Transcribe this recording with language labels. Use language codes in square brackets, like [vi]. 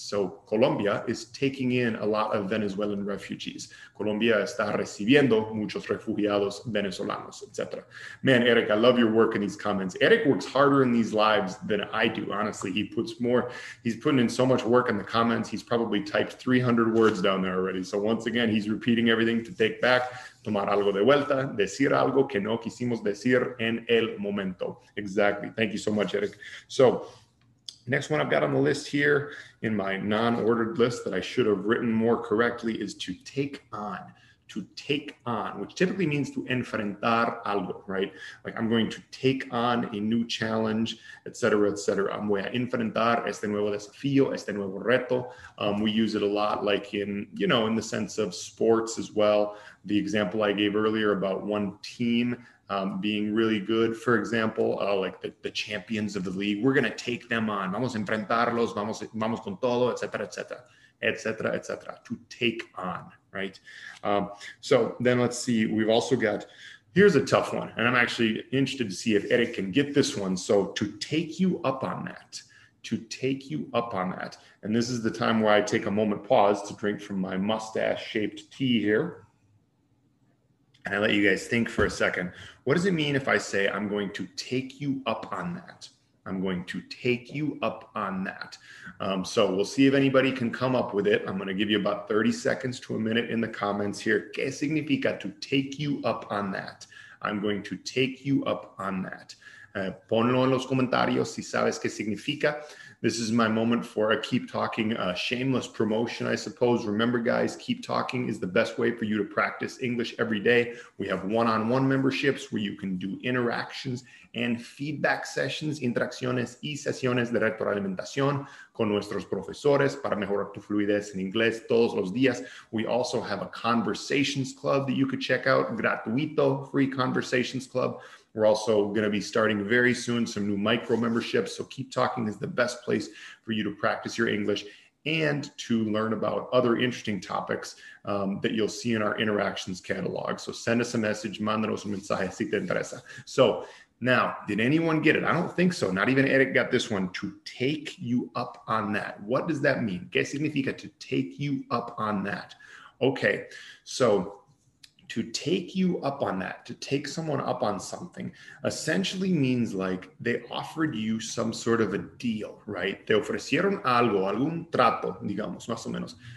[en] So Colombia is taking in a lot of Venezuelan refugees. [es] Colombia está recibiendo muchos refugiados venezolanos, etc. [en] Man, Eric, I love your work in these comments. Eric works harder in these lives than I do. Honestly, he's putting in so much work in the comments. He's probably typed 300 words down there already. So once again, he's repeating everything to take back. [es] Tomar algo de vuelta, decir algo que no quisimos decir en el momento. [en] Exactly. Thank you so much, Eric. So next one I've got on the list here in my non-ordered list that I should have written more correctly is to take on, which typically means to [es] enfrentar algo, [en] right? Like I'm going to take on a new challenge, et cetera, et cetera. [es] Voy a enfrentar este nuevo desafío, este nuevo reto. [en] We use it a lot like in the sense of sports as well. The example I gave earlier about one team being really good, for example, like the champions of the league, we're going to take them on. [es] Vamos a enfrentarlos, vamos con todo, et cetera, et cetera, et cetera, et cetera, [en] to take on. Right. So then let's see. We've also got, here's a tough one. And I'm actually interested to see if Eric can get this one. So to take you up on that, to take you up on that. And this is the time where I take a moment pause to drink from my mustache shaped tea here. And I let you guys think for a second. What does it mean if I say I'm going to take you up on that? I'm going to take you up on that. So we'll see if anybody can come up with it. I'm going to give you about 30 seconds to a minute in the comments here. [es] ¿Qué significa [en] to take you up on that? I'm going to take you up on that. [es] Ponlo en los comentarios si sabes qué significa. [en] This is my moment for a Keep Talking shameless promotion, I suppose. Remember, guys, Keep Talking is the best way for you to practice English every day. We have one-on-one memberships where you can do interactions and feedback sessions, [es] interacciones y sesiones de retroalimentación con nuestros profesores para mejorar tu fluidez en inglés todos los días. [en] We also have a conversations club that you could check out, gratuito, free conversations club. We're also going to be starting very soon some new micro memberships. So Keep Talking is the best place for you to practice your English and to learn about other interesting topics that you'll see in our interactions catalog. So send us a message, [es] mándanos un mensaje si te interesa. [en] So now, did anyone get it? I don't think so. Not even Eric got this one. To take you up on that. What does that mean? [es] ¿Qué significa [en] to take you up on that? Okay, so to take you up on that, to take someone up on something, essentially means like they offered you some sort of a deal, right? [es] Te ofrecieron algo, algún trato, digamos, más o menos.